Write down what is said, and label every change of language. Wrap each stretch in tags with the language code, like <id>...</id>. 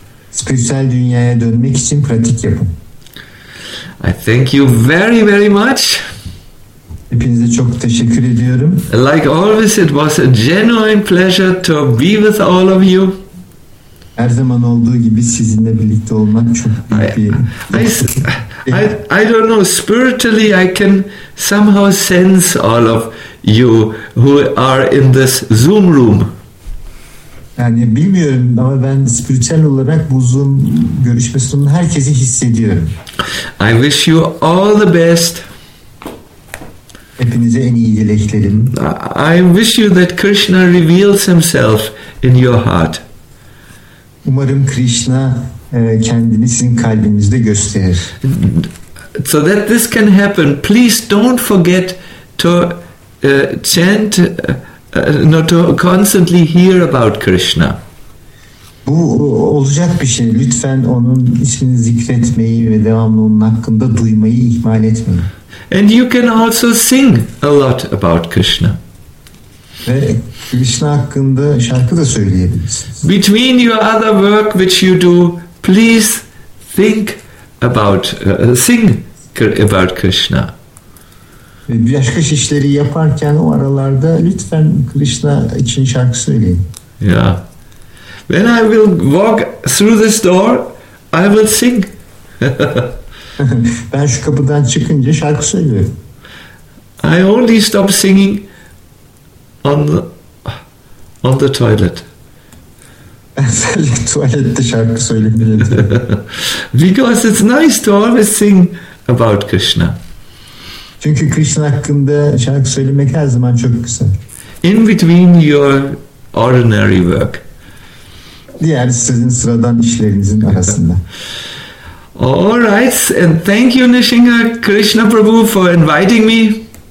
<tr>Spiritüel dünyaya dönmek için pratik yapın.</tr> <en>I thank you very, very much.</en> <tr>Hepinize çok teşekkür ediyorum.</tr> <en>Like always, it was a genuine pleasure to be with all of you.</en> <tr>Her zaman olduğu gibi sizinle birlikte olmak çok büyük bir...</tr> <en>I don't know, spiritually I can somehow sense all of you who are in this Zoom room.</en> <tr>Yani bilmiyorum ama ben spiritüel olarak bu Zoom görüşme sunumunda herkesi hissediyorum.</tr> <en>I wish you all the best.</en> <tr>Hepinize en iyi dileklerim.</tr> <en>I wish you that Krishna reveals himself in your heart.</en> <tr>Umarım Krishna kendini sizin kalbinizde gösterir.</tr> <en>So that this can happen, please don't forget to chant, not to constantly hear about Krishna.</en> <tr>Bu olacak bir şey. Lütfen onun ismini zikretmeyi ve devamlı onun hakkında duymayı ihmal etmeyin.</tr> <en>And you can also sing a lot about Krishna.</en> <tr>Ve Krishna hakkında şarkı da söyleyebilirsiniz.</tr> <en>Between your other work which you do, please think about, sing about Krishna.</en> <tr>Başka işleri yaparken o aralarda lütfen Krishna için şarkı söyleyin.</tr> <en>Yeah. When I will walk through this door, I will sing.</en> <tr>Ben şu kapıdan çıkınca şarkı söylüyorum.</tr> <en>I only stop singing on the toilet.</en> <tr>Tuvalette şarkı söylemeye</tr> <en>Because it's nice to always sing about Krishna.</en> <tr>Çünkü Krishna hakkında şarkı söylemek her zaman çok güzel.</tr> <en>In between your ordinary work.</en> <tr>Diğer sizin sıradan işlerinizin arasında.</tr> <en>All right, and thank you, Nishinga Krishna Prabhu, for inviting me.</en>